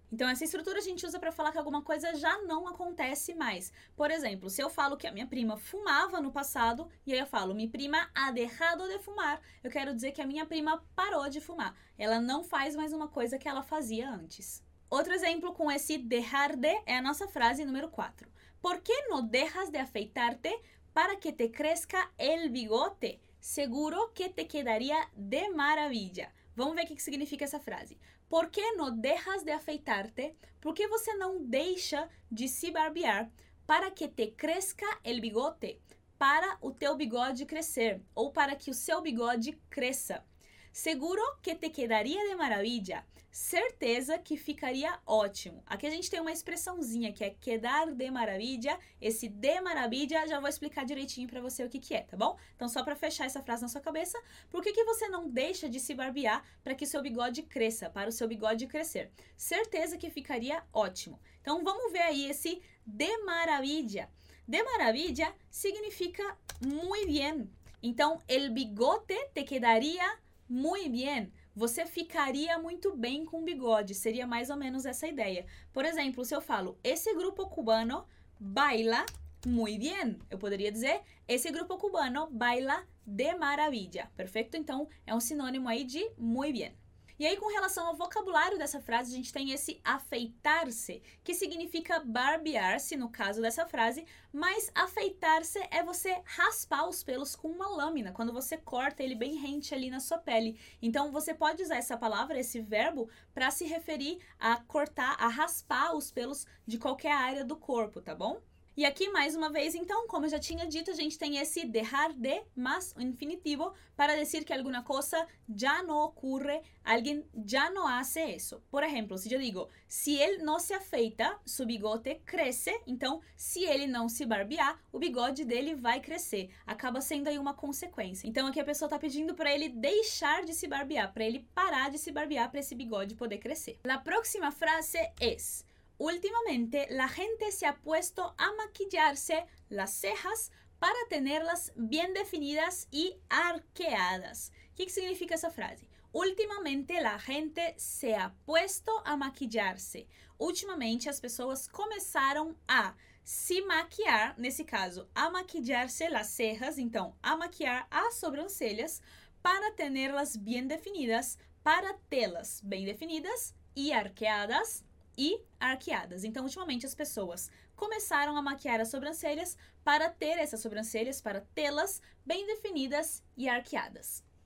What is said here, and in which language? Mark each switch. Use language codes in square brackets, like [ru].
[pt] Então, essa estrutura a gente usa para falar que alguma coisa já não acontece mais. Por exemplo, se eu falo que a minha prima fumava no passado, e aí eu falo, [es] mi prima ha dejado de fumar, [pt] eu quero dizer que a minha prima parou de fumar. Ela não faz mais uma coisa que ela fazia antes. Outro exemplo com esse dejar de é a nossa frase número 4. [es] Por que no dejas de afeitarte para que te crezca el bigote? Seguro que te quedaría de maravilla. [pt] Vamos ver o que significa essa frase. [es] Por que no dejas de afeitarte? [pt] Por que você não deixa de se barbear? [es] Para que te cresca el bigote? [pt] Para o teu bigode crescer. Ou para que o seu bigode cresça. [es] Seguro que te quedaría de maravilla. [pt] Certeza que ficaria ótimo. Aqui a gente tem uma expressãozinha que é quedar de maravilla. Esse de maravilla já vou explicar direitinho para você o que é, tá bom? Então, só para fechar essa frase na sua cabeça, por que você não deixa de se barbear para que seu bigode cresça, para o seu bigode crescer? Certeza que ficaria ótimo. Então, vamos ver aí esse de maravilla. [es] De maravilla significa muy bien. Então, el bigote te quedaría muy bien. [pt] Você ficaria muito bem com bigode. Seria mais ou menos essa ideia. Por exemplo, se eu falo, esse grupo cubano [es] baila muy bien. [pt] Eu poderia dizer, esse grupo cubano [es] baila de maravilla. [pt] Perfeito? Então, é um sinônimo aí de muy bien. E aí, com relação ao vocabulário dessa frase, a gente tem esse afeitar-se, que significa barbear-se, no caso dessa frase, mas afeitar-se é você raspar os pelos com uma lâmina, quando você corta ele bem rente ali na sua pele. Então, você pode usar essa palavra, esse verbo, para se referir a cortar, a raspar os pelos de qualquer área do corpo, tá bom? E aqui, mais uma vez, então, como eu já tinha dito, a gente tem esse dejar de, mas o infinitivo, para dizer que alguma coisa já não ocorre, alguém já não hace isso. Por exemplo, se eu digo, se ele não se afeita, seu bigode cresce, então, se ele não se barbear, o bigode dele vai crescer. Acaba sendo aí uma consequência. Então, aqui a pessoa está pedindo para ele deixar de se barbear, para ele parar de se barbear, para esse bigode poder crescer. A próxima frase é... [es] Últimamente, la gente se ha puesto a maquillarse las cejas para tenerlas bien definidas y arqueadas. ¿Qué significa esa frase? Últimamente, la gente se ha puesto a maquillarse. [pt] Últimamente, as pessoas começaram a se maquiar, nesse caso, [es] a maquillarse las cejas, [pt] então, a maquiar as sobrancelhas [es] para tenerlas bien definidas, [pt] para tê-las bem definidas y arqueadas. E arqueadas. Então, ultimamente, as pessoas começaram a maquiar as sobrancelhas para ter essas sobrancelhas, para tê-las bem definidas e arqueadas.